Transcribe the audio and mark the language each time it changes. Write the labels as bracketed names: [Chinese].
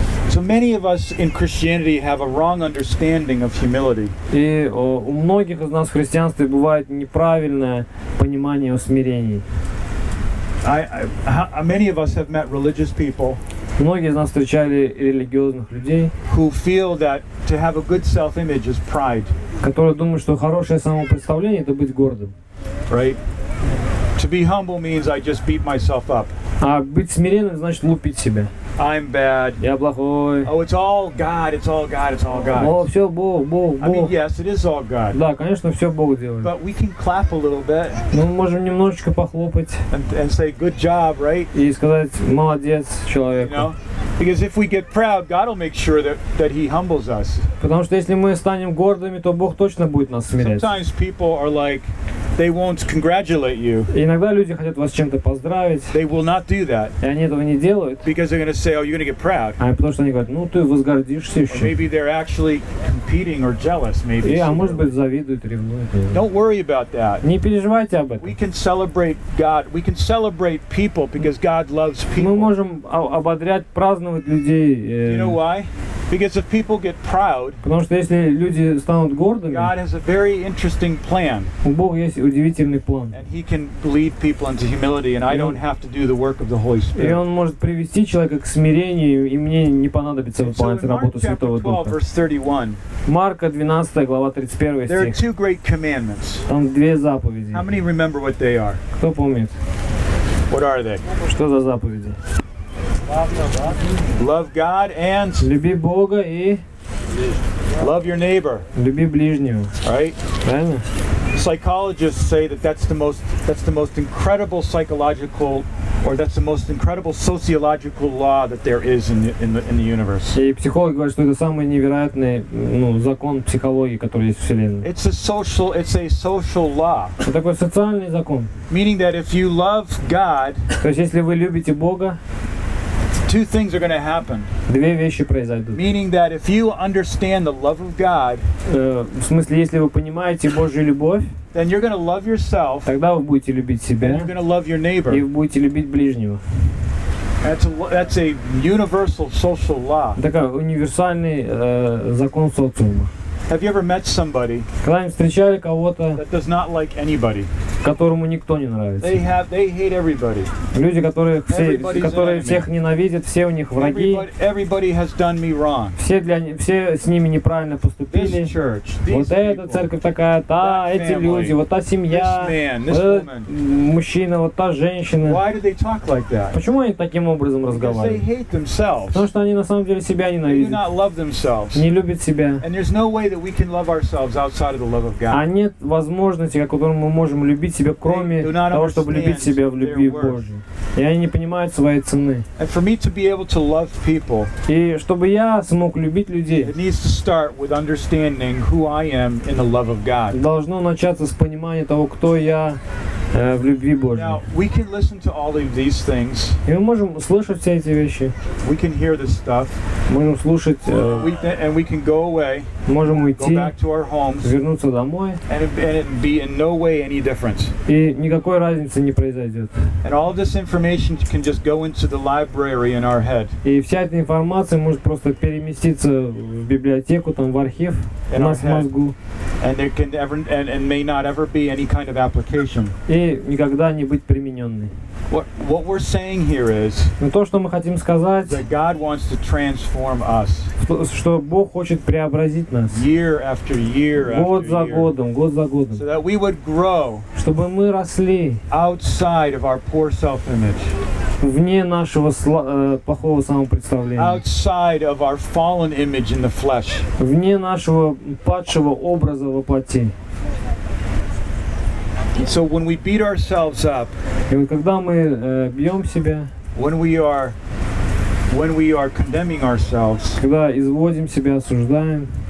[English] So many of us in Christianity have a wrong understanding of humility. [Russian] И у многих из нас в христианстве бывает неправильное понимание о смирении. [English] Many of us have met religious people. [Russian] Многие из нас встречали религиозных людей, [English] who feel that to have a good self-image is pride. [Russian] Которые думают, что хорошее самопредставление это быть гордым. [English] Right? To be humble means I just beat myself up. [Russian] А быть смиренным значит лупить себя. [English] I'm bad. [Russian] Я плохой. [English] Oh, it's all God. It's all God. It's all God. [Russian] О, все Бог, Бог, Бог. [English] I mean, yes, it is all God. [Russian] Да, конечно, все Бог делает. [English] But we can clap a little bit. [Russian] Мы можем немножечко похлопать. [English] And say good job, right? [Russian] И сказать молодец человеку. [English] You know? Because if we get proud, God will make sure that He humbles us. [Russian] Потому что если мы станем гордыми, то Бог точно будет нас смирять. [English] Sometimes people are like, they won't congratulate you. [Russian] Иногда люди хотят вас чем-то поздравить. [English] They will not do that. [Russian] И они этого не делают. [English] Because they're going to say, oh, you're going to get proud. [Russian] А потому что они говорят, ну ты возгордишься еще. [English] Or maybe they're actually competing or jealous, maybe. [Russian] А может быть завидуют, ревнуют. [English] Don't worry about that. [Russian] Не переживайте об этом. [English] We can celebrate God. We can celebrate people because God loves people. [Russian] Мы можем ободрять, праздновать людей. [English] You know why? Because if people get proud, [Russian] потому что если люди станут гордыми, [English] God has a very interesting plan. [Russian] У Бога есть удивительный план. [English] And He can lead people into humility, and I don't have to do the work of the Holy Spirit. [Russian] И Он может привести человека к смирению, и мне не понадобится выполнять работу Святого Духа. Марка 12, глава 31 стих. [English] There are two great commandments. [Russian] Там две заповеди. [English] How many remember what they are? [Russian] Кто помнит? [English] What are they? [Russian] Что за заповеди? [English] Love God and [Russian] люби Бога и [English] love your neighbor. [Russian] Люби ближнего. [English] Right? [Russian] Правильно? [English] Psychologists say that's the most incredible psychological or that's the most incredible sociological law that there is in the universe. [Russian] И психологи говорят, что это самый невероятный, ну, закон психологии, который есть в вселенной. [English] It's a social law. [Russian] Это такой социальный закон. [English] Meaning that if you love God, [Russian] то есть если вы любите Бога, [English] two things are going to happen. [Russian] Две вещи произойдут. [English] Meaning that if you understand the love of God, [Russian] в смысле, если вы понимаете Божью любовь, [English] then you're going to love yourself. [Russian] Тогда вы будете любить себя. [English] And you're going to love your neighbor. [Russian] И вы будете любить ближнего. [English] That's a universal social law. [Russian] Такой универсальный закон социума. [English] Have you ever met somebody that does not like anybody? [Russian] Которому никто не нравится. [English] They hate everybody. [Russian] Люди, которые всех ненавидят, все у них враги. [English] Everybody has done me wrong. [Russian] Все с ними неправильно поступили. [English] This church, [Russian] вот эта церковь такая, та, эти люди, вот та семья, мужчина, вот та женщина. [English] Why do they talk like that? [Russian] Почему они таким образом разговаривают? [English] Because they hate themselves. [Russian] Потому что они на самом деле себя ненавидят. [English] They do not love themselves. [Russian] Не любят себя. [English] And there's no way that we can love ourselves outside of the love of God. [Russian] А нет возможности, которым мы можем любить себя, кроме того, чтобы любить себя в любви Божьей. И они не понимают своей цены. [English] People, [Russian] и чтобы я смог любить людей, должно начаться с понимания того, кто я в любви Божьей. [English] Now, [Russian] и мы можем слышать все эти вещи. [English] We can hear this stuff. [Russian] Можем слушать. [English] And we can go away, [Russian] можем уйти. [English] Go back to our homes, [Russian] вернуться домой. [English] And be in no way any different. [Russian] И никакой разницы не произойдет. [English] And all this information can just go into the library in our head. [Russian] И вся эта информация может просто переместиться в библиотеку, там, в архив, in в нашу мозгу. [English] And there can ever and may not ever be any kind of application. [Russian] И никогда не быть примененной. [English] What we're saying here is, [Russian] но то, что мы хотим сказать, [English] that God wants to transform us. [Russian] Что Бог хочет преобразить нас. [English] Year after year after year. [Russian] Год за годом, год за годом. [English] So that we would grow. [Russian] Чтобы мы росли. [English] Outside of our poor self-image. [Russian] Вне нашего плохого самопредставления. [English] Outside of our fallen image in the flesh. [Russian] Вне нашего падшего образа во плоти. [English] So when we beat ourselves up, [Russian] и вот когда мы бьем себя, [English] when we are condemning ourselves, [Russian] когда изводим себя, осуждаем,